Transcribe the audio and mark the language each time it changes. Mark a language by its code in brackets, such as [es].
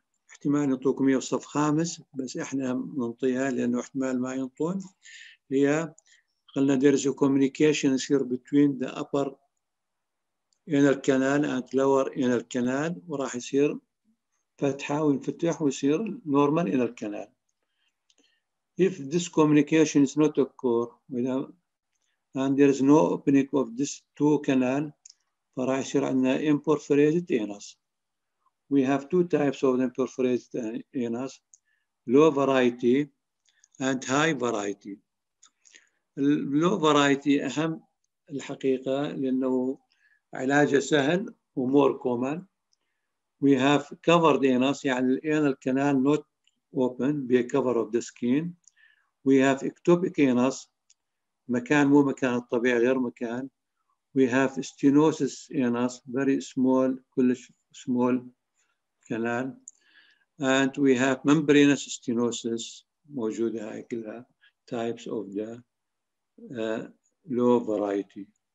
[ar] احتمال ينطوكم اياه صف خامس بس احنا بنعطيها لانه احتمال ما ينطون هي قلنا [en] there is a communication [ar] يصير [en] between the upper anal canal [ar] and lower anal canal وراح يصير فتحة وينفتح ويصير [en] normal anal canal. If this communication is not occur and there is no opening of this two canal [ar] فراح يصير عندنا [en] imperforated anus. We have two types of them perforated anus, low variety and high variety. Low variety [ar] أهم الحقيقة لأنه علاجه سهل [en] more common. We have covered anus, [ar] يعني [en] the anal canal not open, be a cover of the skin. We have ectopic anus, [ar] مكان مو مكان الطبيعي غير مكان. [en] We have stenosis anus, very small, [ar] كلش [en] small. Canal, and we have membranous stenosis. [ar] موجودة هاي كلها [en] types of the low variety.